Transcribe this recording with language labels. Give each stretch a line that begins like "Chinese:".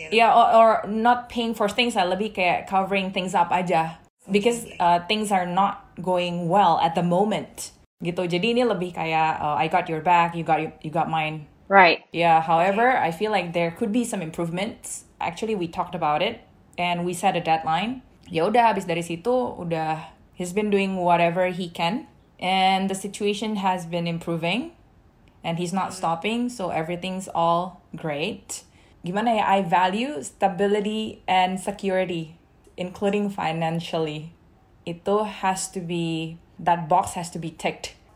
English: Yeah, or not paying for things.
Indonesian: Lebih kayak
English: covering things up aja. Because things are not going well at the moment.
Indonesian: Gitu. Jadi ini lebih kayak
English: I got your back. You got mine. Right. Yeah. However, okay. I feel like there could be some improvements. Actually, we talked about it and we set a deadline.
Indonesian: Ya udah, abis dari situ udah.
English: He's been doing whatever he can, and the situation has been improving, and he's not stopping, so everything's all great.
Indonesian: Gimana ya,
English: I value stability and security, including financially. Itu has to be, that box has to be ticked.